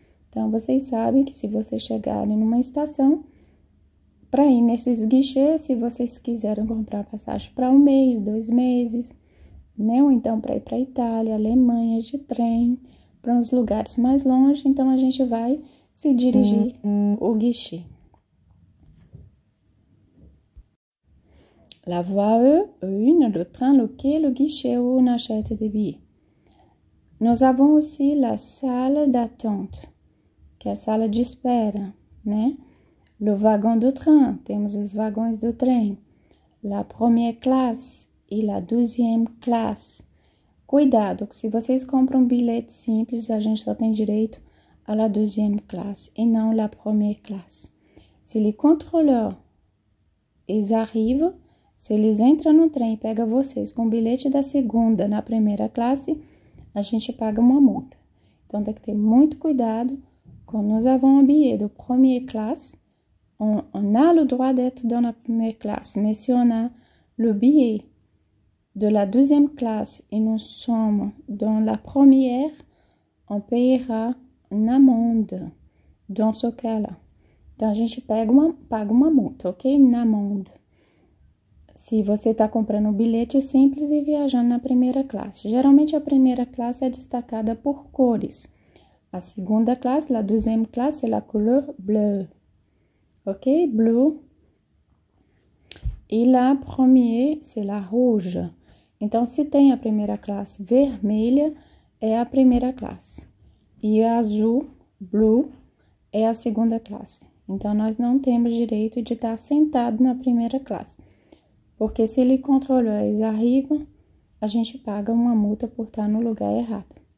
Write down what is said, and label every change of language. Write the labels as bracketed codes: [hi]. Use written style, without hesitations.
[pt] Então, vocês sabem que se vocês chegarem numa estação, para ir nesses guichês, se vocês quiserem comprar passagem para um mês, dois meses, né? Ou então para ir para a Itália, Alemanha, de trem, para uns lugares mais longe, então a gente vai se dirigir ao guichê. [fr] La voie E, une, le train, le quai, le guichet ou on achète des billets. [pt] Nós [fr] avons aussi la salle d'attente, [pt] que é a sala de espera, né? [fr] Le wagon de train, [pt] temos os vagões de trem. [fr] La première classe e la deuxième classe. [pt] Cuidado, que se vocês compram um bilhete simples, a gente só tem direito à la deuxième classe e não la première classe. Se les contrôleurs, eles arrivam, se eles entram no trem e pegam vocês com o bilhete da segunda na primeira classe, a gente paga uma multa. Então, tem que ter muito cuidado quando nós avons um bilhete de première classe. [fr] On a le droit d'être dans la première classe, mais si on a le billet de la deuxième classe et nous sommes dans la première, on payera une amende dans ce cas-là. [pt] Donc, a gente paga uma multa, ok? [fr] Une amende. [pt] Si você está comprando um bilhete simples e viajando na primeira classe. Geralmente, a primeira classe é destacada por cores. A segunda classe, [fr] la deuxième classe, c'est la couleur bleue. Ok, bleu. E la première, c'est la rouge. [pt] Então, se tem a primeira classe vermelha, é a primeira classe. E azul, bleu, é a segunda classe. Então, nós não temos direito de estar sentado na primeira classe. Porque se ele controlou, eles arrivam, a gente paga uma multa por estar no lugar errado.